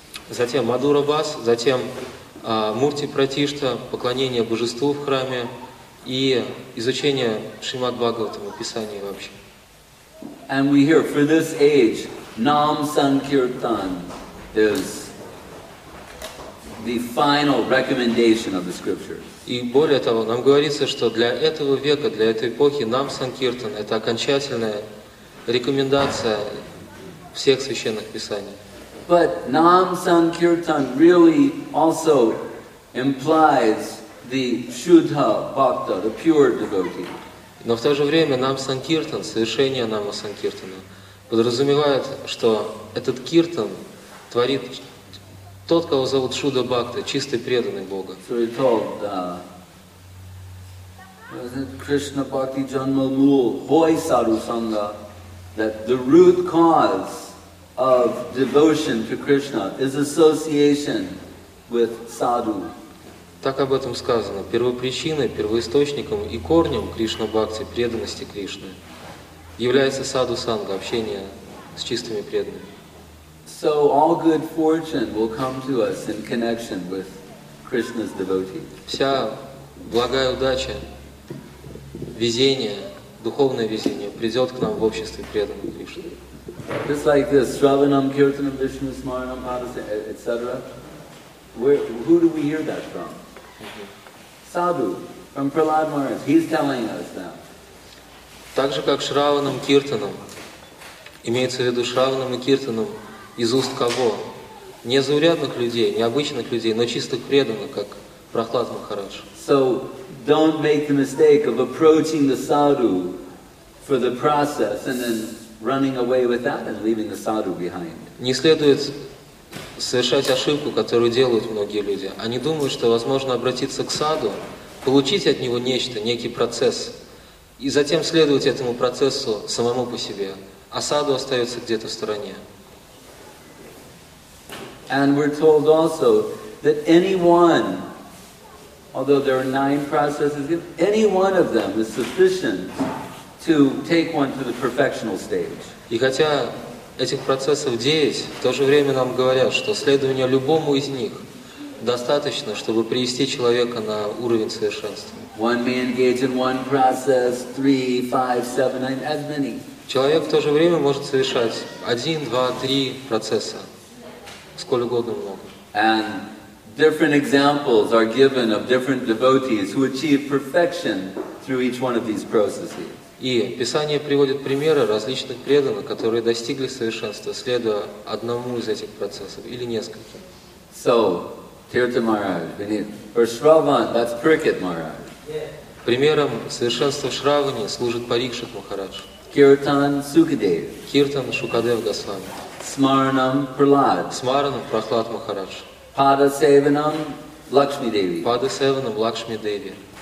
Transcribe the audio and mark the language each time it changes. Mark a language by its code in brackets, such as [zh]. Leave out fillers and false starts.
[ru] Затем Мадхура-Вас, затем Мурти-Пратишта, поклонение божеству в храме и изучение Шримад-Бхагаватам, описание вообще. [en] And we hear for this age, Nam Sankirtan is the final recommendation of the scriptures. [ru] И более того, нам говорится, что для этого века, для этой эпохи, Нам Санкиртан — это окончательная рекомендация всех священных писаний. [en] But Nam Sankirtan really also implies the Shuddha Bhakta, the pure devotee. [ru] Но в то же время Нам Санкиртан, совершение Нама Санкиртана, подразумевает, что этот киртан творит тот, кого зовут Шуда Бхакта, чистый преданный Бога. [en] So he told, [bn] Krishna Bhakti Janma Mool, Hoi Saru Sangha, [en] that the root cause of devotion to Krishna is association with sadhu. [ru] Так об этом сказано. Первопричиной, первоисточником и корнем Кришна Бхакти, преданности Кришны, является саду санга, общение с чистыми преданными. [en] So all good fortune will come to us in connection with Krishna's devotee. [ru] Вся благая удача, везение, духовное везение придет к нам в обществе преданных Кришны. [en] Just like this, Shravanam, Kirtanam, Vishnu, Smaranam, Padasam, etc. Who do we hear that from? Sadhu, from Prahlad Maharaj. He's telling us that. [ru] Так же, как Шраванам, Киртанам, имеется в виду Шраванам и Киртанам из уст кого? Не заурядных людей, не обычных людей, но чистых преданных, как Прахлад Махарадж. [en] So, don't make the mistake of approaching the sadhu for the process and then running away with that and leaving the sadhu behind. [ru] Не следует совершать ошибку, которую делают многие люди. Они думают, что возможно обратиться к саду, получить от него нечто, некий процесс, и затем следовать этому процессу самому по себе. А саду остается где-то в стороне. [en] And we're told also that anyone, although there are 9 processes, any one of them is sufficient to take one to the perfectional stage. [ru] И хотя этих процессов 9, в то же время нам говорят, что следование любому из них достаточно, чтобы привести человека на уровень совершенства. [en] One may engage in one process, 3, 5, 7, 9, as many. [ru] Человек в то же время может совершать 1, 2, 3 процесса, сколько угодно много. [en] And different examples are given of different devotees who achieve perfection through each one of these processes. [ru] И Писание приводит примеры различных преданных, которые достигли совершенства, следуя одному из этих процессов или нескольким. [en] So, Tirtha Maharaj, beneath, or Shravan, that's Pariksit Maharaj. [ru] Примером совершенства в Шраване служит Парикшит Махарадж. Киртан Сукадев. Киртан Шукадев Госвами. Смаранам Прахлад. Смаранам Прахлад Махарадж. Пада Севанам Лакшми Деви. Пада Севанам Лакшми Деви.